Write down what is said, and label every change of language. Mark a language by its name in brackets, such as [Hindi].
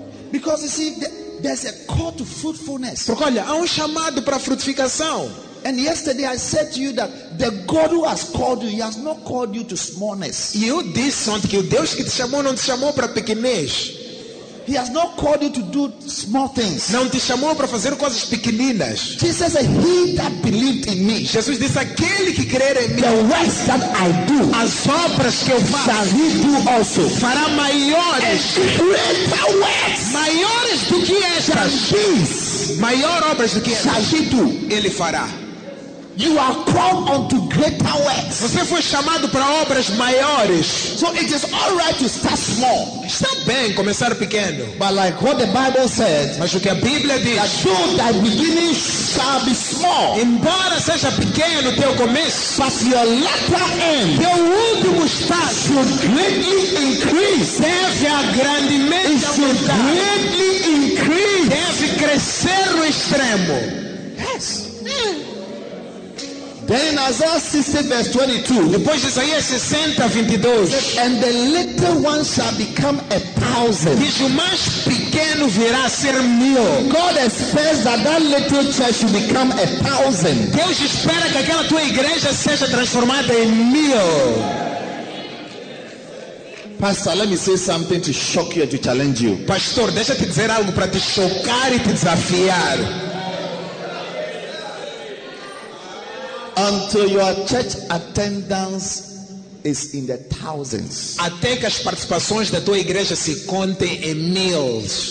[English] Because you see, there's a call to fruitfulness. [Portuguese] Porque olha, há chamado para frutificação. [English] And yesterday I said to you that the God who has called you, he has not called you to smallness. [Portuguese] E eu disse ontem que o Deus que te chamou não te chamou para pequenez. [English] He has not called you to do small things. [Portuguese] Não te chamou para fazer coisas pequeninas. [English] Jesus said, he that believed in me, [Portuguese] Jesus disse, aquele que crer em mim, [English] the works that I do, [Portuguese] as obras que eu faço, [English] shall he do also, [Portuguese] fará maiores, [English] greater works, [Portuguese] maiores do que estas, maior obras do que estas, [English] he do, [Portuguese] ele fará. [English] You are called unto greater works. [Portuguese] Você foi chamado para obras maiores. [English] So it is all right to start small. [Portuguese] Está bem começar pequeno. [English] But like what the Bible said, [Portuguese] mas o que a Bíblia diz, [English] that though thy beginning shall be small, [Portuguese] embora seja pequeno teu começo, [English] but your latter end, [Portuguese] teu último estágio, [English] should greatly increase, [Portuguese] deve a grandemente aumentar, [English] greatly increase, [Portuguese] deve crescer no extremo. [English] Yes. Then in Isaiah 60 verse 22, [Portuguese] depois de Isaías 60, 22, [English] and the little one shall become a thousand. [Portuguese] Diz, o mais pequeno virá a ser mil. [English] God expects that little church should become a thousand. [Portuguese] Deus espera que aquela tua igreja seja transformada em mil. [English] Pastor, let me say something to shock you and to challenge you. [Portuguese] Pastor, deixa-te dizer algo para te chocar e te desafiar. [English] Until your church attendance is in the thousands. [Portuguese] Até que as participações da tua igreja se contem em mil.